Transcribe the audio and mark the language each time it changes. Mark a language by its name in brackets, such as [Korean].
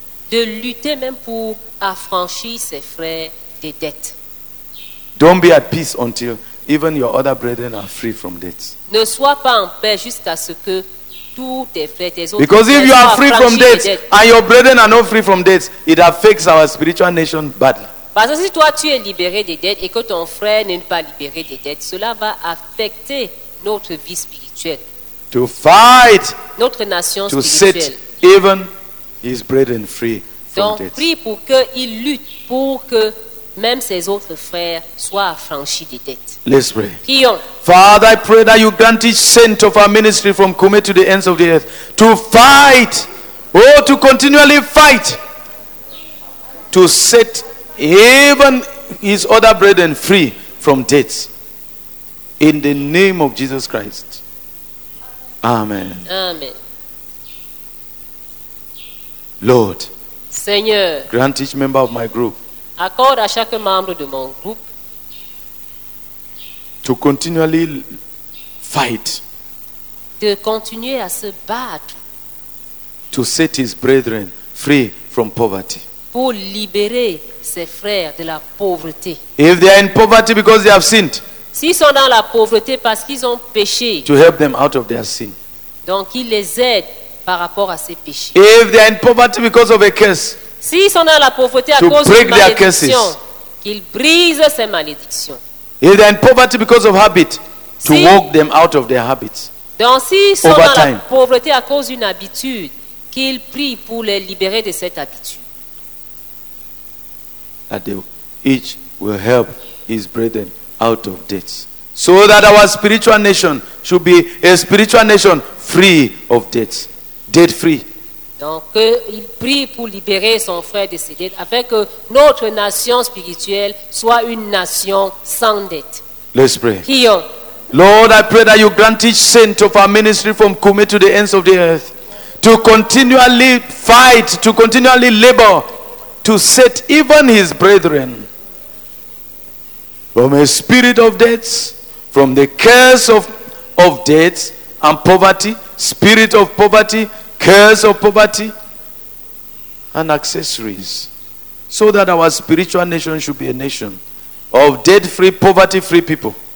[French] De lutter même pour affranchir ses frères des dettes. [English] Don't be at peace until even your other brethren are free from debts. [French] Ne sois pas en paix jusqu'à ce que tous tes frères, tes autres. [English] Because if you are free from debts and your brethren are not free from debts, it affects our spiritual nation badly. [French] Parce que si toi tu es libéré des dettes et que ton frère n'est pas libéré des dettes, cela va affecter notre vie spirituelle. [English] To fight, [French] notre nation [English] to [French] spirituelle. [English] Set even his brethren free from [French] donc, [English] debts. [French] Prie pour qu'il lutte pour que même ses autres frères soient affranchis des dettes. [English] Let's pray. [French] Prions. [English] Father, I pray that you grant each saint of our ministry from Kume to the ends of the earth to fight, oh, to continually fight, to set even his other brethren free from debts. In the name of Jesus Christ. Amen. Amen. Lord, [French] Seigneur, [English] grant each member of my group, [French] accorde à chaque membre de mon groupe, [English] to continually fight, [French] de continuer à se battre, [English] to set his brethren free from poverty, [French] pour libérer ses frères de la pauvreté. [English] If they are in poverty because they have sinned, [French] s'ils sont dans la pauvreté parce qu'ils ont péché, [English] to help them out of their sin, [French] donc il les aide par rapport à ses péchés. [English] If they are in poverty because of a curse, [French] s'ils sont dans la pauvreté à cause de malédiction, qu'ils brisent ces malédictions. [English] If they are in poverty because of habit, to walk them out of their habits. [French] Donc s'ils sont dans la pauvreté à cause d'une habitude, qu'ils prient pour les libérer de cette habitude. [English] That they each will help his brethren out of debt, so that our spiritual nation should be a spiritual nation free of debt, debt free. [French] Donc il prie pour libérer son frère de ses dettes, afin que notre nation spirituelle soit une nation sans dette. [English] Let's pray. [French] Prions. [English] Lord, I pray that you grant each saint of our ministry from Kume to the ends of the earth to continually fight, to continually labor, to set even his brethren from a spirit of debts, from the curse of debts and poverty, spirit of poverty, curse of poverty and accessories, so that our spiritual nation should be a nation of debt-free, poverty-free people.